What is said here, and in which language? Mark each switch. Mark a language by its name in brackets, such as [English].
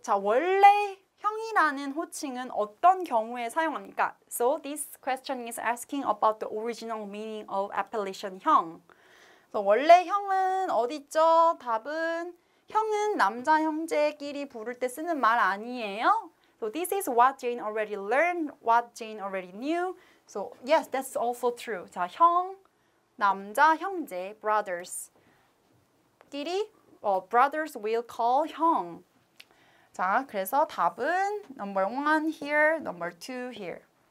[Korean] 자, 원래 형이라는 호칭은 어떤 경우에 사용합니까? [English] So this question is asking about the original meaning of appellation 형. [Korean] So 원래 형은 어딨죠? 답은 형은 남자 형제끼리 부를 때 쓰는 말 아니에요? [English] So this is what Jane already learned, what Jane already knew. So yes, that's also true. [Korean] 자, 형, 남자, 형제, [English] brothers. [Korean] 끼리, [English] brothers will call 형. [Korean] 자, 그래서 답은 [English] number one here, number two here.